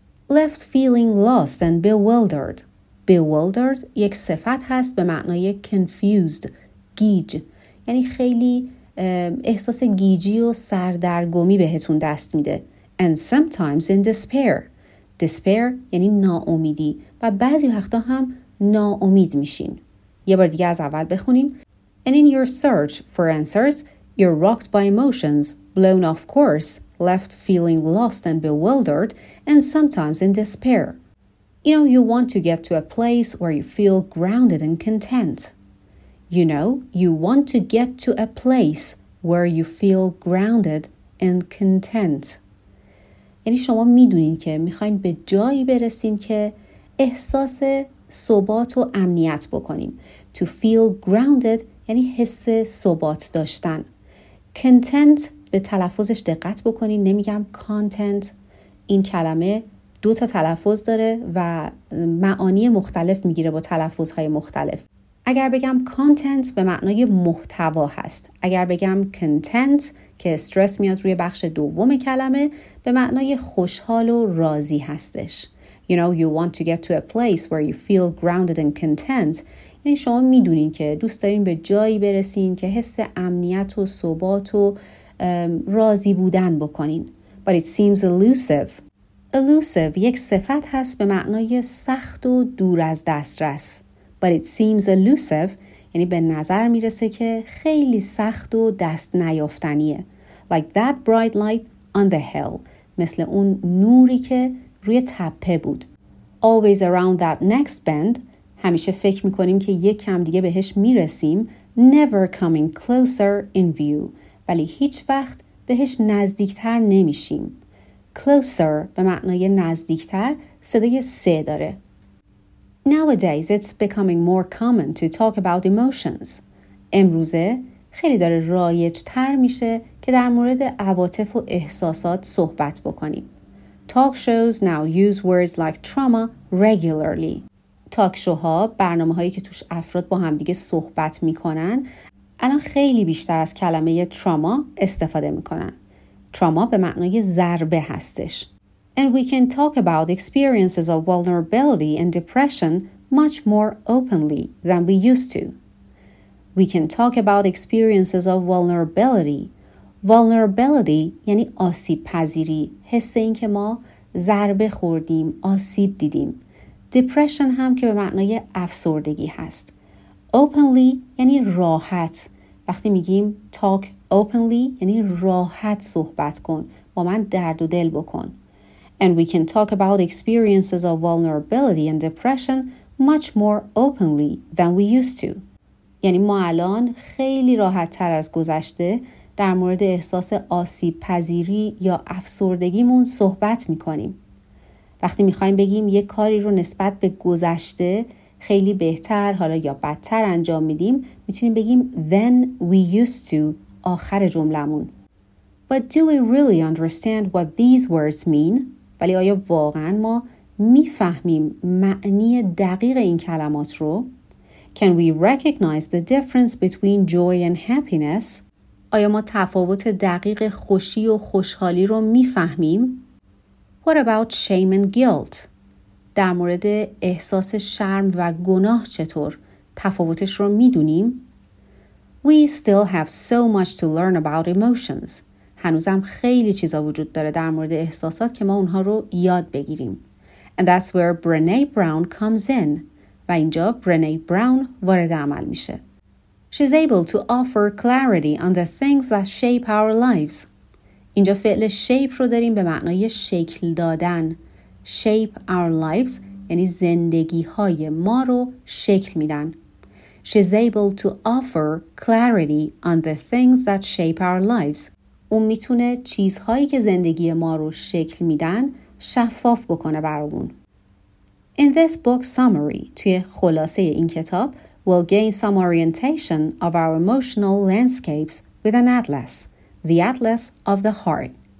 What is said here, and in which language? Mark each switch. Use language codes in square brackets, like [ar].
[en] Left feeling lost and bewildered. [fa] Bewildered یک صفت هست به معنای confused، گیج. یعنی خیلی احساس گیجی و سردرگمی بهتون دست میده. [en] And sometimes in despair. [fa] Despair یعنی ناامیدی و بعضی وقتا هم ناامید میشین. یه بار دیگه از اول بخونیم. [en] And in your search for answers, you're rocked by emotions, blown off course, left feeling lost and bewildered, and sometimes in despair. You know, you want to get to a place where you feel grounded and content. You know, you want to get to a place where you feel grounded and content. [fa] یعنی شما میدونین که میخواین به جایی برسین که احساس ثبات و امنیت بکنیم. To feel grounded یعنی حس ثبات داشتن. Content به تلفظش دقت بکنین، نمیگم content. این کلمه دو تا تلفظ داره و معانی مختلف میگیره با تلفظهای مختلف. اگر بگم content به معنای محتوا هست. اگر بگم content که استرس میاد روی بخش دوم کلمه، به معنای خوشحال و راضی هستش. [en] You know, you want to get to a place where you feel grounded and content. [fa] یعنی شما میدونین که دوست دارین به جایی برسین که حس امنیت و ثبات و راضی بودن بکنین. [en] But it seems elusive. Elusive [fa] یک صفت هست به معنای سخت و دور از دسترس. [en] But it seems elusive [fa] یعنی به نظر میرسه که خیلی سخت و دست نیافتنیه. [en] Like that bright light on the hill. [fa] مثل اون نوری که روی تپه بود. [en] Always around that next bend. [fa] همیشه فکر میکنیم که یک کم دیگه بهش میرسیم. [en] Never coming closer in view. [fa] ولی هیچ وقت بهش نزدیکتر نمیشیم. Closer به معنای نزدیکتر صدای سه داره. [en] Nowadays it's becoming more common to talk about emotions. [fa] امروزه خیلی داره رایج تر میشه که در مورد عواطف و احساسات صحبت بکنیم. [en] Talk shows now use words like trauma regularly. [fa] Talk show ها برنامه هایی که توش افراد با همدیگه صحبت میکنن الان خیلی بیشتر از کلمه trauma استفاده میکنن. Trauma به معنای ضربه هستش. [en] And we can talk about experiences of vulnerability and depression much more openly than we used to. We can talk about experiences of vulnerability. [fa] Vulnerability یعنی آسیب پذیری، حس این که ما ضربه خوردیم، آسیب دیدیم. Depression هم که به معنای افسردگی هست. Openly یعنی راحت. وقتی میگیم talk openly یعنی راحت صحبت کن، با من درد و دل بکن. [en] And we can talk about experiences of vulnerability and depression much more openly than we used to. [fa] یعنی ما الان خیلی راحت تر از گذشته در مورد احساس آسیب پذیری یا افسردگیمون صحبت میکنیم. وقتی میخواییم بگیم یک کاری رو نسبت به گذشته خیلی بهتر حالا یا بدتر انجام میدیم، میتونیم بگیم [en] than we used to [fa] آخر جملمون. [en] But do we really understand what these words mean? [fa] ولی آیا واقعا ما میفهمیم معنی دقیق این کلمات رو؟ [en] Can we recognize the difference between joy and happiness? [fa] آیا ما تفاوت دقیق خوشی و خوشحالی رو میفهمیم؟ [en] What about shame and guilt? [fa] در مورد احساس شرم و گناه چطور؟ تفاوتش رو میدونیم؟ [en] We still have so much to learn about emotions. [fa] هنوزم خیلی چیزا وجود داره در مورد احساسات که ما اونها رو یاد بگیریم. [en] And that's where Brené Brown comes in. [fa] و اینجا [en] Brené Brown [fa] وارد عمل میشه. [en] She's able to offer clarity on the things that shape our lives. [fa] اینجا فعل shape رو داریم به معنای شکل دادن. Shape our lives یعنی زندگی های ما رو شکل میدن. [en] She's able to offer clarity on the things that shape our lives. [fa] اون میتونه چیزهایی که زندگی ما رو شکل میدن شفاف بکنه برامون. [en] In this book summary, [fa] توی خلاصه این کتاب, [en] we'll gain some orientation of our emotional landscapes with an atlas, the atlas of the heart.